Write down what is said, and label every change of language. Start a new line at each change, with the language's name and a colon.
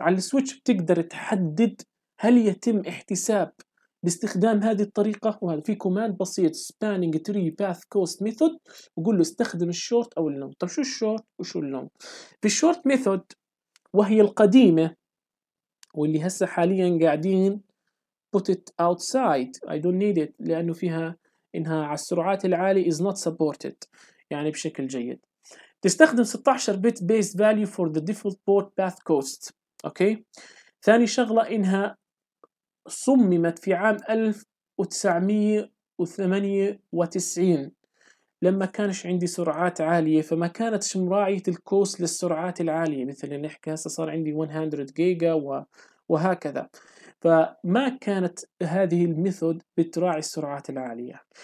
Arabic: على السويتش بتقدر تحدد هل يتم احتساب باستخدام هذه الطريقة، وهذا في كوماند بسيط
English: spanning tree path cost method،
Arabic: وقول له استخدم الشورت أو اللونج. طب شو الشورت وشو اللونج؟ في الشورت ميثود وهي القديمة واللي هسه حاليا قاعدين
English: put it outside I don't need it،
Arabic: لأنه فيها إنها على السرعات العالية
English: is not supported
Arabic: يعني بشكل جيد. تستخدم
English: 16 bit base value for the default port path cost.
Arabic: أوكي، ثاني شغلة إنها صممت في عام 1998 لما كانش عندي سرعات عالية، فما كانتش مراعية الكوست للسرعات العالية، مثل اللي نحكي هسه صار عندي 100 جيجا وهكذا، فما كانت هذه الميثود بتراعي السرعات العالية.